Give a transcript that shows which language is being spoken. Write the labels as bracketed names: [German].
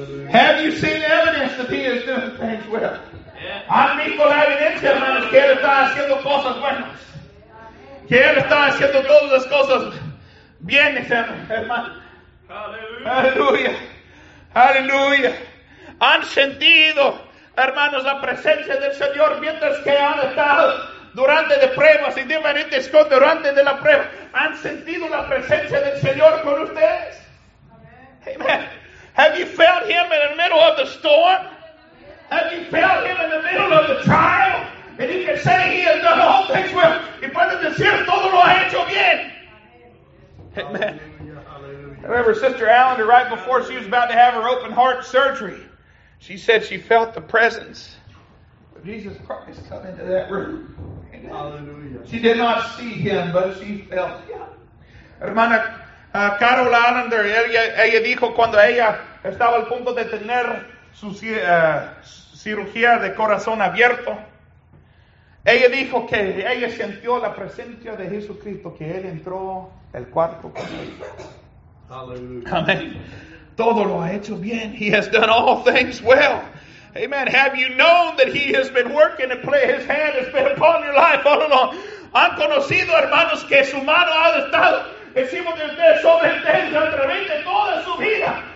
[English] Have you seen evidence that he is doing things well? [Spanish] Han visto la evidencia, hermanos, que él está haciendo cosas buenas. Que él está haciendo todas las cosas bien, hermanos. Aleluya. Aleluya. Han sentido, hermanos, la presencia del Señor mientras que han estado durante de pruebas y diferentes cosas durante de la prueba. Han sentido la presencia del Señor con ustedes. Amen. [English] Have you felt him in the middle of the storm? Have you felt him in the middle of the trial? And you can say he has done all things well. [Spanish] Y puedes decir todo lo ha hecho bien. Amen. [English] I remember Sister Allender, right before she was about to have her open heart surgery, she said she felt the presence of Jesus Christ come into that room. Amen. Hallelujah. She did not see him, but she felt him. [Spanish] Hermana Carol Allender, ella dijo cuando ella estaba al punto de tener su cirugía de corazón abierto, ella dijo que ella sintió la presencia de Jesucristo, que él entró el cuarto con ella. [English] Hallelujah. [Spanish] Amen. Todo lo ha hecho bien. [English] He has done all things well. [Spanish] Amen. [English] Have you known that he has been working and play his hand has been upon your life all along? [Spanish] Han conocido, hermanos, que su mano ha estado encima de usted sobre ustedes a través de toda su vida.